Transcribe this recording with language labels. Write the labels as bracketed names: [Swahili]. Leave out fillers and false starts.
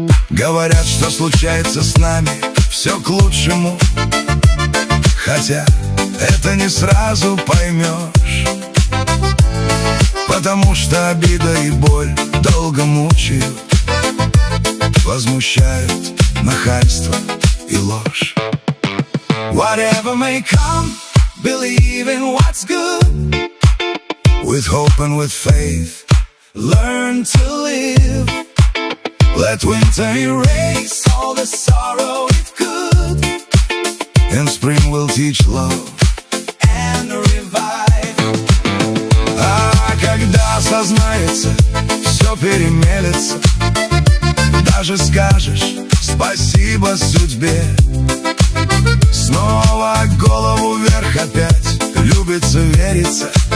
[Russian] Говорят, что случается с нами все к лучшему, хотя это не сразу поймешь. Потому что обида и боль долго мучают, возмущают нахальство и ложь. [English] Whatever may come, believe in what's good. With hope and with faith, learn to live. Let winter erase all the sorrow it could. And spring will teach love and revive. [Russian] А когда осознается, все перемелется. Даже скажешь спасибо судьбе. Снова голову вверх опять любится, верится.